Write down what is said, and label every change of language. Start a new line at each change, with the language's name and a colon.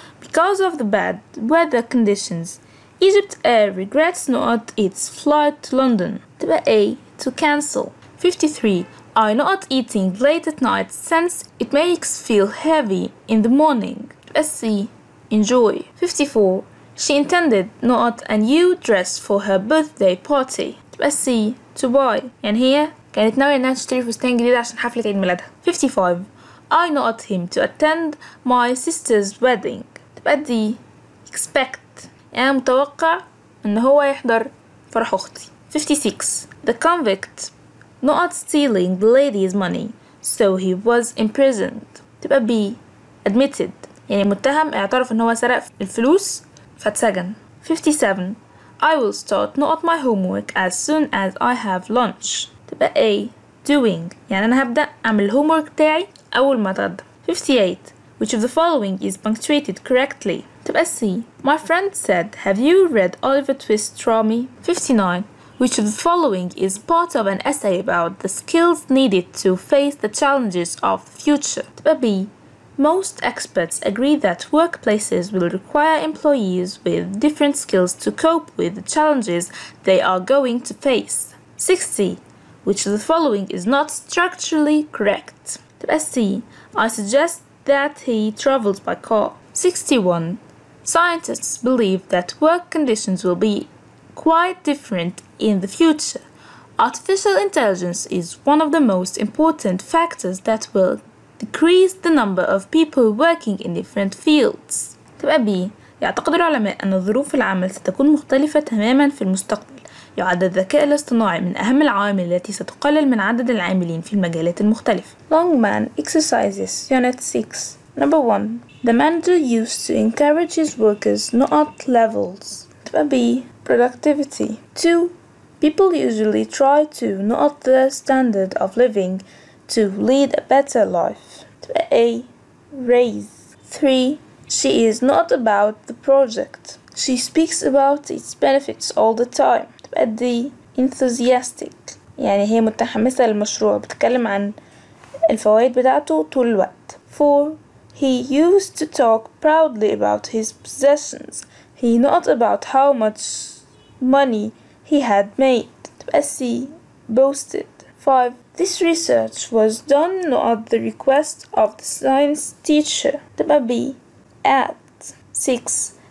English: Because of the bad weather conditions, Egypt Air regrets not its flight to London.
Arabic: تبقى
English: A. To cancel. 53. Are not eating late at night since it makes feel heavy in the morning. SC. Enjoy. 54. She intended not a new dress for her birthday party. SC. To buy. And here,
Arabic: كانت ناوية أنها تشتري فستان جديد عشان حفلة عيد ميلادها.
English: 55. I not him to attend my sister's wedding.
Arabic: تبدي expect. أنا متوقع أن هو يحضر فرح أختي.
English: 56. The convict not stealing the lady's money, so he was imprisoned.
Arabic: تبقى
English: B. Admitted.
Arabic: يعني متهم اعترف أن هو سرق الفلوس فتسجن.
English: 57. I will start not my homework as soon as I have lunch.
Arabic: تبقى
English: A. Doing.
Arabic: يعني أنا هبدأ أعمل الهومورك بتاعي أول ما أتغدى.
English: 58. Which of the following is punctuated correctly?
Arabic: تبقى
English: C. My friend said, have you read Oliver Twist's Trummy? 59. Which of the following is part of an essay about the skills needed to face the challenges of the future? B. Most experts agree that workplaces will require employees with different skills to cope with the challenges they are going to face. 60. Which of the following is not structurally correct? C. I suggest that he travels by car. 61. Scientists believe that work conditions will be quite different in the future. Artificial intelligence is one of the most important factors that will decrease the number of people working in different fields.
Arabic: تبقى B. يعتقد العلماء أن ظروف العمل ستكون مختلفة تماما في المستقبل. يعد الذكاء الاصطناعي من أهم العوامل التي ستقلل من عدد العاملين في المجالات المختلفة.
English: Longman Exercises Unit 6 Number 1 The manager used to encourage his workers not levels.
Arabic: تبقى
English: B. Productivity. 2. People usually try to not the standard of living to lead a better life. A. Raise. 3. She is not about the project. She speaks about its benefits all the time. D. Enthusiastic.
Arabic: يعني هي متحمسة للمشروع بتكلم عن الفوائد بتاعته طول الوقت.
English: 4. He used to talk proudly about his possessions. He not about how much money he had made. S. C. Boasted. 5. This research was done at the request of the science teacher. B. At. 6.